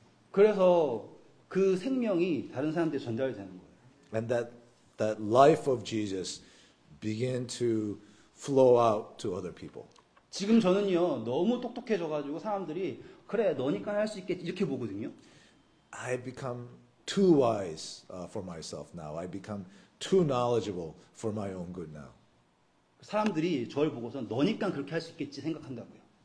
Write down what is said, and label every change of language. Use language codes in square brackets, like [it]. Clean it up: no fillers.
[ko] 그래서 그 생명이 다른 사람한테 전달이 되는 거예요. [en] And that life of Jesus began to flow out to other people. [ko] 지금 저는요 너무 똑똑해져가지고 사람들이 그래 너니까 할 수 있겠지 이렇게 보거든요. [en] I become too wise for myself now. I become too knowledgeable for my own good now. [ko] 사람들이 저를 보고서 너니까 그렇게 할 수 있겠지 생각한다고요.